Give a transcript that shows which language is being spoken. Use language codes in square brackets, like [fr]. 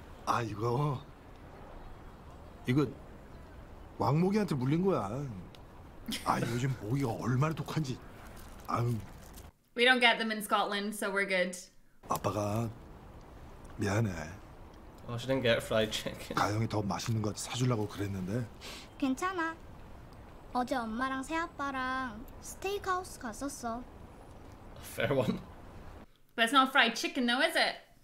[ko] Ah, 이거 이거 왕모기한테 물린 거야. 아 요즘 모기가 얼마나 독한지. 아유. [en] We don't get them in Scotland, so we're good. [ko] 아빠가 미안해. [en] Oh, she didn't get fried chicken. [ko] 가영이 더 맛있는 거 사주려고 그랬는데. 괜찮아. 어제 엄마랑 새아빠랑 스테이크 하우스 갔었어. [en] Fair one. But it's not fried chicken though, is it?